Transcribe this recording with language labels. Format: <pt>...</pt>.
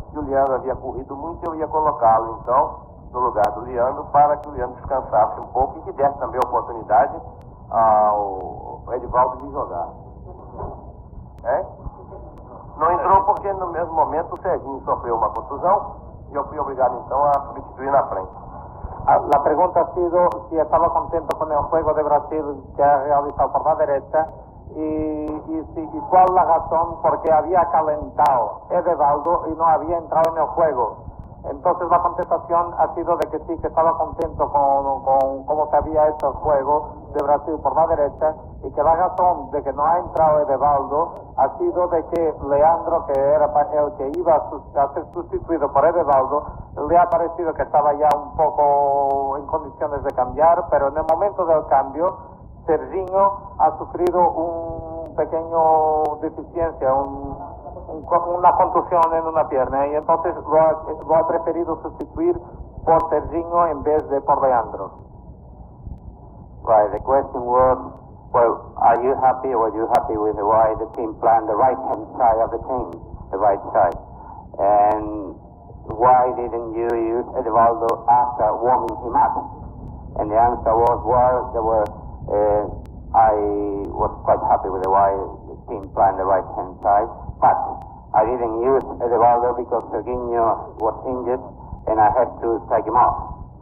<pt>E o Leandro havia corrido muito, eu ia colocá-lo então no lugar do Leandro para que o Leandro descansasse um pouco e que desse também a oportunidade ao Edivaldo de jogar. É? Não entrou porque no mesmo momento o Serginho sofreu uma contusão.</pt> <es>Yo fui obligado entonces a sustituir en la frente. La pregunta ha sido si estaba contento con el juego de Brasil que ha realizado por la derecha y cuál la razón porque había calentado Edivaldo y no había entrado en el juego. Entonces la contestación ha sido de que sí, que estaba contento con cómo se había hecho el juego de Brasil por la derecha y que la razón de que no ha entrado Edivaldo ha sido de que Leandro, que era el que iba a ser sustituido por Edivaldo, le ha parecido que estaba ya un poco en condiciones de cambiar, pero en el momento del cambio, Serginho ha sufrido un pequeño deficiencia, una contusión en una pierna, y entonces lo ha preferido sustituir por Serginho en vez de por Leandro.</es> <en>Right, the question was, well, are you happy or were you happy with the way the team planned the right-hand side of the team, the right side? And why didn't you use Edvaldo after warming him up? And the answer was, well, there were, I was quite happy with the way the team planned the right-hand side, but I didn't use Edvaldo because Serginho was injured and I had to take him off.</en>